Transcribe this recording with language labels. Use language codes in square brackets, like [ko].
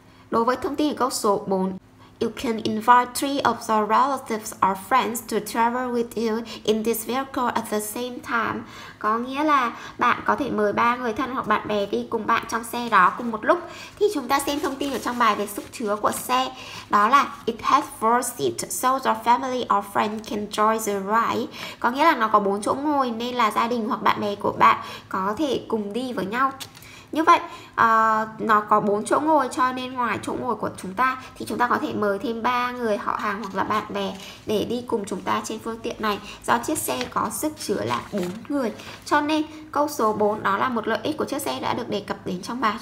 [vi] Đối với thông tin ở câu số 4, [en] You can invite three of your relatives or friends to travel with you in this vehicle at the same time. [vi] Có nghĩa là bạn có thể mời ba người thân hoặc bạn bè đi cùng bạn trong xe đó cùng một lúc. Thì chúng ta xem thông tin ở trong bài về sức chứa của xe. Đó là [en] It has four seats so your family or friend can join the ride. [vi] Có nghĩa là nó có bốn chỗ ngồi nên là gia đình hoặc bạn bè của bạn có thể cùng đi với nhau. Như vậy, nó có 4 chỗ ngồi cho nên ngoài chỗ ngồi của chúng ta thì chúng ta có thể mời thêm 3 người họ hàng hoặc là bạn bè để đi cùng chúng ta trên phương tiện này. Do chiếc xe có sức chứa là 4 người. Cho nên câu số 4 đó là một lợi ích của chiếc xe đã được đề cập đến trong bài.